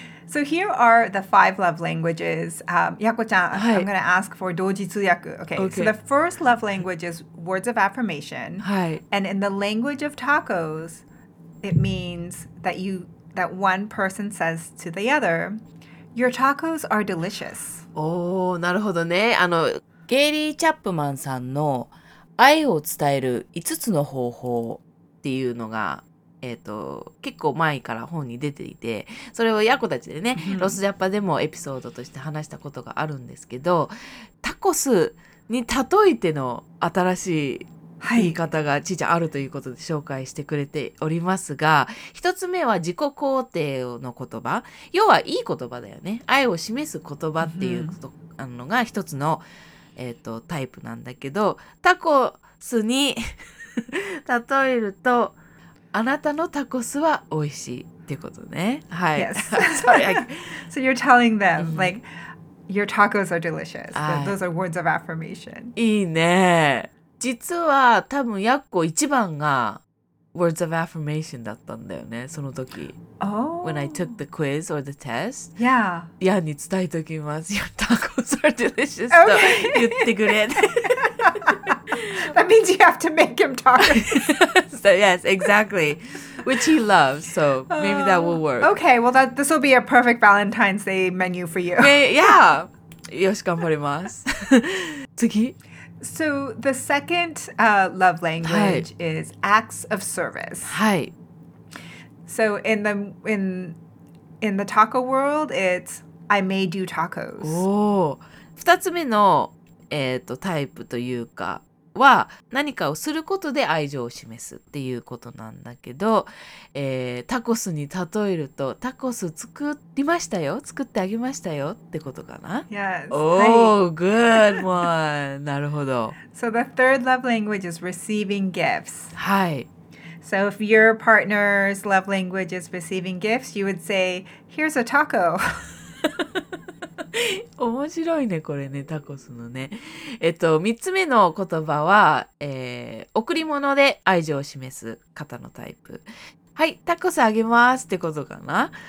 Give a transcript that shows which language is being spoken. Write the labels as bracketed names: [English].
[English] Tacos. Okay. So here are the five love languages. Yako-chan, I'm going to ask for [Japanese] 同時通訳. [English] Okay. So the first love language is words of affirmation. And in the language of tacos, it means that that one person says to the other, your tacos are delicious. [Japanese] Oh, なるほどね。あの、ゲイリー・チャップマンさんの愛を伝える5つの方法っていうのが結構前から本に出ていて、それをヤコたちでね、ロスジャパでもエピソードとして話したことがあるんですけど、タコスに例えての新しい言い方がちーちゃんあるということで紹介してくれておりますが、一つ目は自己肯定の言葉、要はいい言葉だよね、愛を示す言葉っていうことあるのが一つの、タイプなんだけど、タコスに例えるとあなたのタコスは美味しいってことね。はい。 [English] Yes. Sorry. So you're telling them, like, your tacos are delicious. Those are words of affirmation. [Japanese] いいね。実は多分ヤッコ一番が [English] words of affirmation [Japanese] だったんだよね、その時。 [English] Oh. When I took the quiz or the test. Yeah. Yeah, [Japanese] に伝えておきます。 [English] Your tacos are delicious. Okay. [Japanese] と言ってくれ。 [English] That means you have to make him talk. So, yes, exactly. Which he loves. So maybe that will work. Okay, well, that, this will be a perfect Valentine's Day menu for you. [Japanese] Yeah. よし、頑張ります。次。 [English] So the second love language is acts of service. Hi. So in the taco world, it's I made you tacos. Oh. [Japanese] 二つ目の、タイプというかは何かをすることで愛情を示すっていうことなんだけど、タコスに例えるとタコス作りましたよ、作ってあげましたよってことかな。 [English] Yes. Oh, good one. [Japanese] なるほど。 [English] So the third love language is receiving gifts. [Japanese] はい。 [English] So if your partner's love language is receiving gifts, you would say, here's a taco. [Japanese] 面白いねこれね、タコスのね。3つ目の言葉は、贈り物で愛情を示す方のタイプ。はい、タコスあげますってことかな。